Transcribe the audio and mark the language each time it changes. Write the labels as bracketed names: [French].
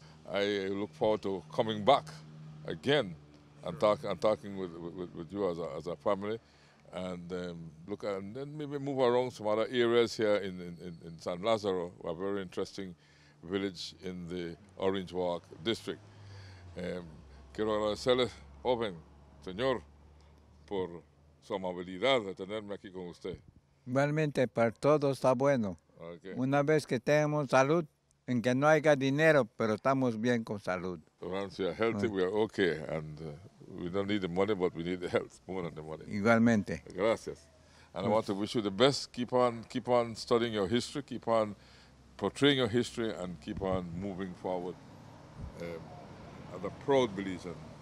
[English] I look forward to coming back again and talking with you as a family. And look at, and then maybe move around some other areas here in San Lazaro, a very interesting village in the Orange Walk district. [Spanish] Quiero agradecerles, joven, señor, por su amabilidad de tenerme aquí con usted. Realmente, para todo está bueno. [English] Okay. [Spanish] Una vez que tenemos salud, en que no haya dinero, pero estamos bien con salud. [English] Once we are healthy, we are okay. We don't need the money, but we need the health more than the money. [Spanish] Igualmente. Gracias. [English] And I want to wish you the best. Keep on studying your history. Keep on portraying your history, and keep on moving forward as a proud Belizean.